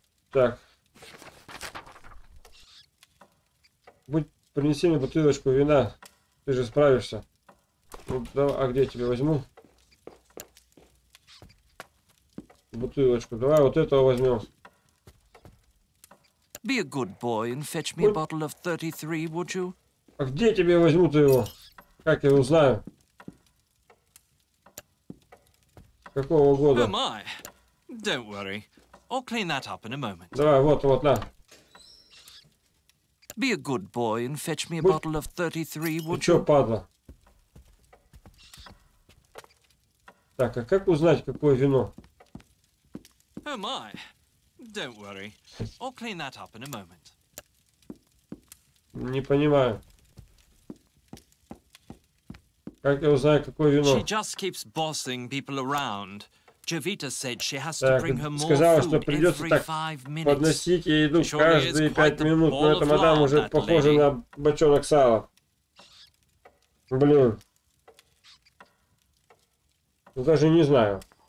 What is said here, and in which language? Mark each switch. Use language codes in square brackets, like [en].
[ru] Так. Принеси мне бутылочку вина. Ты же справишься. Ну, давай, а где я тебе возьму? Бутылочку. Давай вот этого возьмем. [en] Be a good boy and fetch me a bottle of 33, would you? [ru] А где тебе возьму-то его? Как я узнаю? Какого года? [en] Am I? Don't worry. I'll clean that up in a moment. [ru] Давай, вот, вот, на. [en] Be a good boy and fetch me a bottle of 33, would you? [ru] Чё, падла? Так, а как узнать, какое вино? [en] Am I? Don't worry. I'll clean that up in a moment. [ru] Не понимаю. Как я узнаю, какое вино? [en] She just keeps bossing people around. Jovita said she has to bring her more food [ru] что придется так подносить ей еду каждые 5 минут. Но эта мадам уже похожа на бочонок сала. Блин. Даже не знаю.